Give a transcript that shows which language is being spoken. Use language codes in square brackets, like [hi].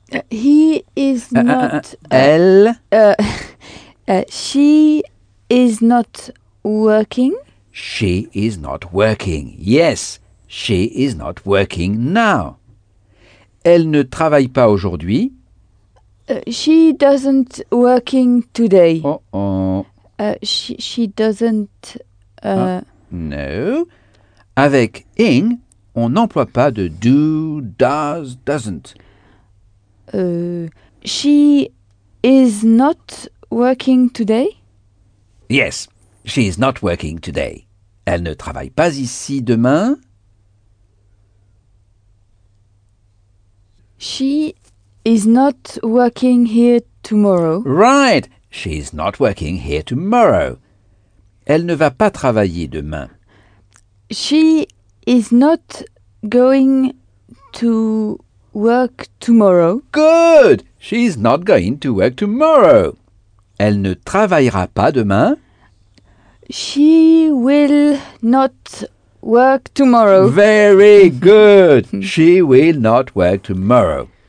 [en] He is not... [fr] Elle... [en] She is not working. She is not working. Yes. She is not working now. [fr] Elle ne travaille pas aujourd'hui. [en] She doesn't working today. Oh, oh. She doesn't... No. [fr] Avec ing, on n'emploie pas de do, does, doesn't. [en] She is not working today? Yes, she is not working today. [fr] Elle ne travaille pas ici demain. [en] She is not working here tomorrow. Right. She is not working here tomorrow. [fr] Elle ne va pas travailler demain. [en] She is not going to work tomorrow. Good. She is not going to work tomorrow. [fr] Elle ne travaillera pas demain. [en] She will not work tomorrow. Very good. She will not work tomorrow.